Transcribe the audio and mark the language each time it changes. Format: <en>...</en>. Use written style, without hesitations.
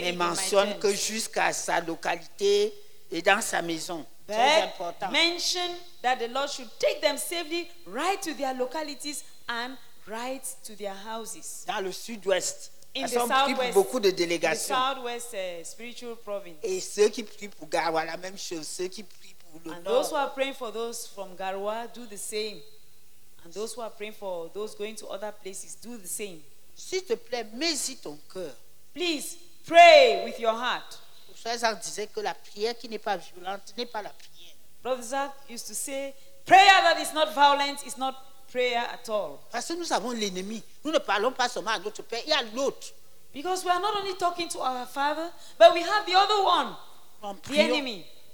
<fr>mais mentionne que jusqu'à sa localité et dans sa maison.</fr> <en>But</en> <fr>très important.</fr> <en>Mention that the Lord should take them safely right to their localities and right to their houses.</en> <fr>Dans le sud-ouest.</fr> <en>In the southwest.</en> <fr>Prie pour beaucoup de délégations.</fr> <en>In the southwest spiritual province.</en> <fr>Et ceux qui prient pour Garoua, la même chose. Ceux qui prient pour le</fr> <en>and</en> <fr>nord.</fr> <en>Those who are praying for those from Garoua, do the same. And those who are praying for those going to other places, do the same.</en> <fr>S'il te plaît, mets-y ton cœur.</fr> <en>Please pray with your heart.</en> <fr>Frère Zach disait que la prière qui n'est pas violente n'est pas la prière.</fr> <en>Brother Zach used to say, prayer that is not violent is not prayer at all.</en> <fr>Parce que nous avons l'ennemi. Nous ne parlons pas seulement à notre père, il y a l'autre.</fr> <en>Because we are not only talking to our father, but we have the other one, the enemy.</en>